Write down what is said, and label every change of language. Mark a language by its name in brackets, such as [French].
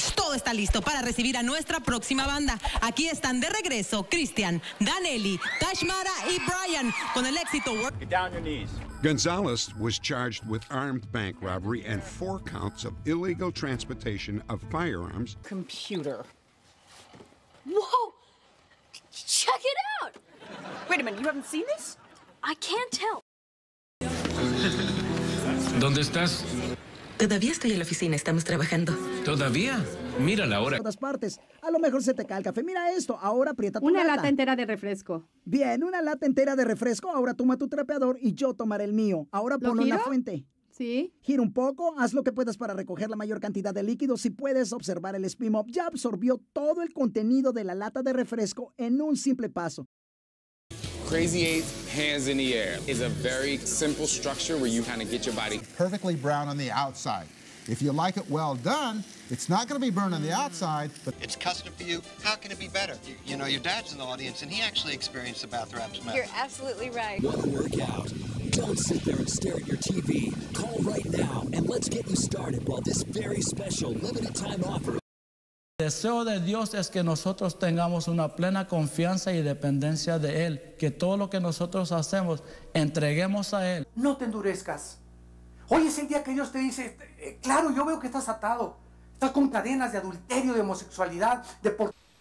[Spanish] Todo está listo para recibir a nuestra próxima banda. Aquí están de regreso Cristian, Danelli, Tashmara y Brian con el éxito. [English] Get down your knees. Gonzalez was charged with armed bank robbery and 4 counts of illegal transportation of firearms. Computer. Whoa! Check it out! Wait a minute, you haven't seen this? I can't tell. [Spanish] ¿Dónde estás? Todavía estoy en la oficina, estamos trabajando. ¿Todavía? Mira la hora. En todas partes. A lo mejor se te cae el café. Mira esto, ahora aprieta tu una lata. Una lata entera de refresco. Bien, una lata entera de refresco. Ahora toma tu trapeador y yo tomaré el mío. Ahora ponlo en la fuente. ¿Sí? Gira un poco, haz lo que puedas para recoger la mayor cantidad de líquido. Si puedes observar, el Speed Mop ya absorbió todo el contenido de la lata de refresco en un simple paso. [English] Crazy Eight, hands in the air, is a very simple structure where you kind of get your body perfectly brown on the outside. If you like it well done, it's not going to be burned on the outside, but it's custom for you. How can it be better? You know, your dad's in the audience, and he actually experienced the bath wraps method. You're absolutely right. Want to work out? Don't sit there and stare at your TV. Call right now, and let's get you started while this very special limited time offer. [Spanish] Deseo de Dios es que nosotros tengamos una plena confianza y dependencia de Él, que todo lo que nosotros hacemos entreguemos a Él. No te endurezcas. Hoy es el día que Dios te dice, claro, yo veo que estás atado. Estás con cadenas de adulterio, de homosexualidad, de por...